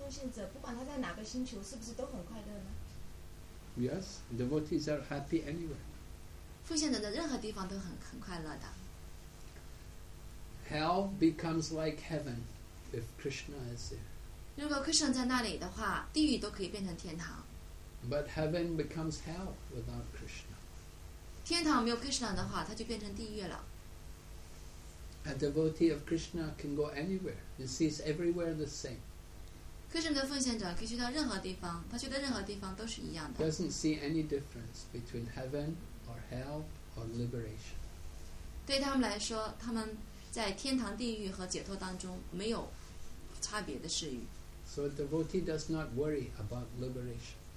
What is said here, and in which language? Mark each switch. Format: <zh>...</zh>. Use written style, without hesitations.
<zh>我想再问一下，那如果Krishna的奉献者不管他在哪个星球，是不是都很快乐呢？</zh> <en>Yes, devotees are happy anywhere.</en> <zh>奉献者的任何地方都很快乐的。</zh> <en>Hell becomes like heaven if Krishna is there.</en> <zh>如果Krishna在那里的话, 地狱都可以变成天堂。</zh> <en>But heaven becomes hell without Krishna.</en> <zh>天堂没有Krishna的话, 它就变成地狱了。</zh> <en>A devotee of Krishna can go anywhere and sees everywhere the same. Doesn't see any difference between heaven or hell or liberation.</en> <zh>对他们来说, 他们在天堂地狱和解脱当中没有差别的事欲。</zh> <en>So a devotee does not worry about liberation.</en>